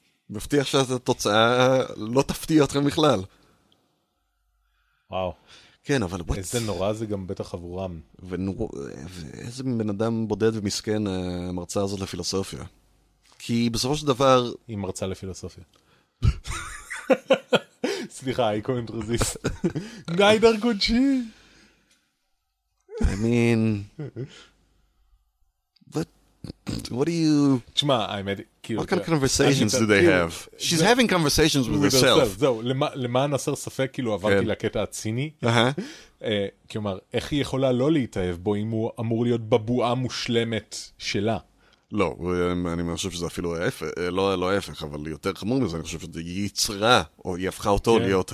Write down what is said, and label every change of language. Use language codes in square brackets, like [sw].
[he] מבטיח שהתוצאה לא תפתיע אתכם בכלל. וואו. כן, אבל... איזה נורא זה גם בטח עבורם. ואיזה בן אדם בודד ומסכן מרצה הזאת לפילוסופיה. כי בסופו של דבר... היא מרצה לפילוסופיה. סליחה, [en] I couldn't resist. Neither could she. I mean... What do you... [he] תשמע, האמת... [en] What kind of conversations do they have? She's having conversations with herself. [he] זהו, למען הסר ספק, כאילו עברתי לקטע הציני. כלומר, איך היא יכולה לא להתאהב בו אם הוא אמור להיות בבועה מושלמת שלה? לא, אני חושב שזה אפילו ההפך, לא ההפך, אבל יותר חמור מזה, אני חושב שזה ייצרה, או היא הפכה אותו להיות